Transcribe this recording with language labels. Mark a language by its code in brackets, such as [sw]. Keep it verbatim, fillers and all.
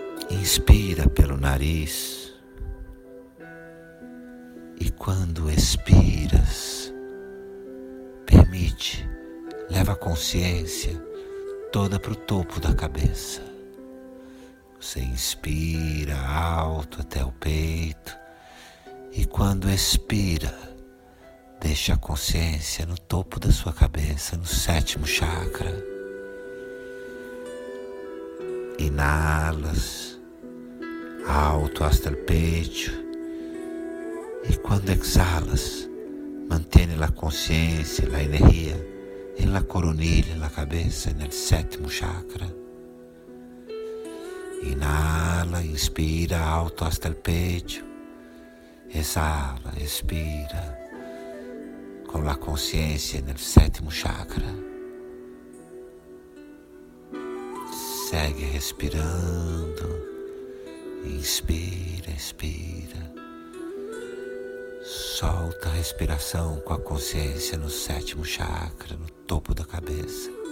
[pt] Inspira pelo nariz e quando expiras, permite, leva a consciência toda para o topo da cabeça. Você inspira alto até o peito. E quando expira, deixa a consciência no topo da sua cabeça, no sétimo chakra. [es] Inalas, alto hasta el pecho. [pt] E quando exalas, mantém a consciência, a energia, [es] en la coronilla, [pt] na cabeça, no sétimo chakra. [es] Inala, inspira alto hasta el pecho. [pt] Exala, expira, com a consciência no sétimo chakra. Segue respirando, inspira, expira, solta a respiração com a consciência no sétimo chakra, no topo da cabeça.